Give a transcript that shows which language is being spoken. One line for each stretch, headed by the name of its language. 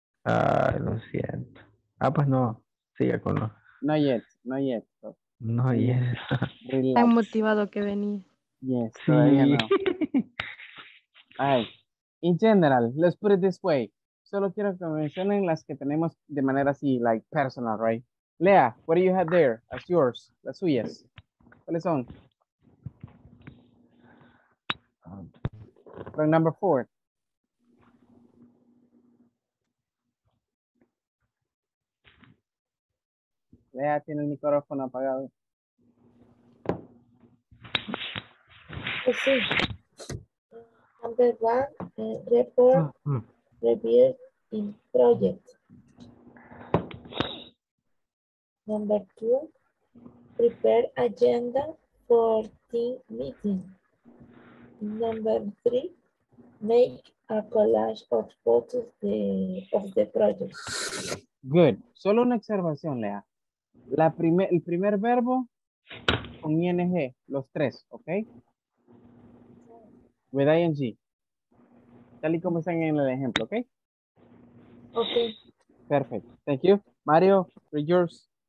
Spanish: Lo siento. Pues no. Siga con lo.
English: Not yet. So. No yet.
Spanish: Relax. Tan motivado que venía. Yes, sí. Todavía no. Alright.
English: In general, let's put it this way.
Spanish: Solo quiero que mencionen las que tenemos de manera así, like personal, right?
English: Lea, what do you have there as yours?
Spanish: Las suyas. ¿Cuáles son?
English: Right, number four.
Spanish: Lea tiene el micrófono apagado.
English: Sí. Number one, report, review, in project. Number two, prepare agenda for team meeting. Number three, make a collage of photos of the project.
Spanish: Good. Solo una observación, Lea. El primer verbo con ING, los tres, ¿ok? With ING. Tal y como están en el ejemplo, ¿ok?
English: Ok. Perfect. Thank you. Mario, for yours.